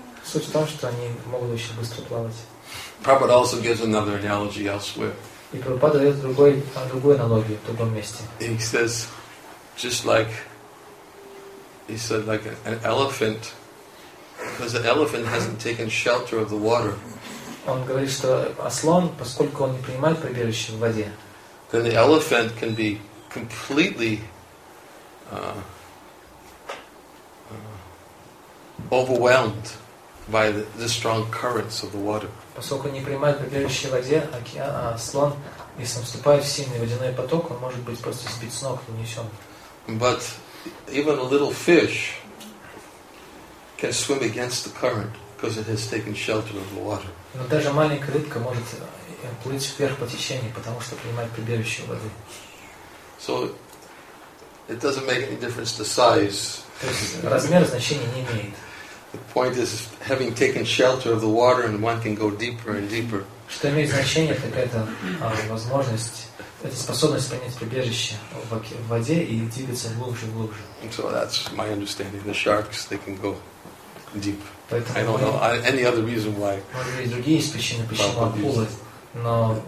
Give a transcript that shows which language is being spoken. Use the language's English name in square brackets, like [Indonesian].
[Russian] Суть в том, что они могут еще быстро плавать. [English] Prabhupada also gives another analogy elsewhere. [Russian] И Прабхупада дает другую аналогию в другом месте. [English] He says, just like he said, like an elephant, because an elephant hasn't taken shelter of the water. [Russian] Он говорит, что ослон, поскольку он не принимает прибежище в воде. [English] Then the elephant can be completely overwhelmed by the strong currents of the water. [Russian] Поскольку не принимает прибежище в воде, океан, а слон, если он вступает в сильный водяной поток, он может быть просто сбит с ног, унесен. [English] But even a little fish can swim against the current because it has taken shelter of the water. [Russian] Но даже маленькая рыбка может плыть вверх по течению, потому что принимает прибежище в воде. [English] So it doesn't make any difference the size. [Russian] Размер значения не имеет. [English] The point is, having taken shelter of the water, and one can go deeper and deeper. [Russian] Что имеет значение, так это возможность, это способность принять прибежище в воде и двигаться глубже и глубже. [English] So that's my understanding. The sharks, they can go deep. [Russian] Поэтому [English] I don't know any other reason why. [Russian] Может быть, другие есть причины, почему акулы, но...